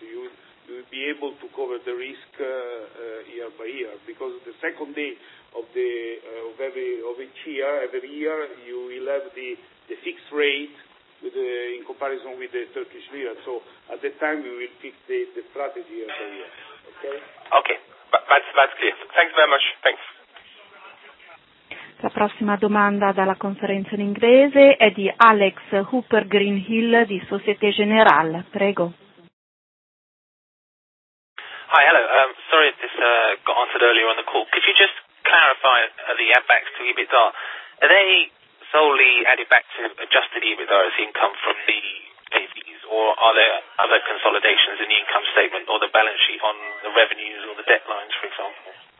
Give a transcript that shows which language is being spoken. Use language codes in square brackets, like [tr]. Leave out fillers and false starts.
[en] You will be able to cover the risk year by year, because the second day of the of each year, you will have the fixed rate in comparison with the Turkish lira. So at that time, we will fix the strategy year by year. Okay. Okay. That's clear. Thanks very much. Thanks. [it] La prossima domanda dalla conferenza in inglese è di Alex Hooper Greenhill di Société Générale. Prego. [en] Hi, hello. Sorry if this got answered earlier on the call. Could you just clarify the add-backs to EBITDA? Are they solely added back to adjusted EBITDA as income from the JVs, or are there other consolidations in the income statement or the balance sheet on the revenues or the debt lines, for example?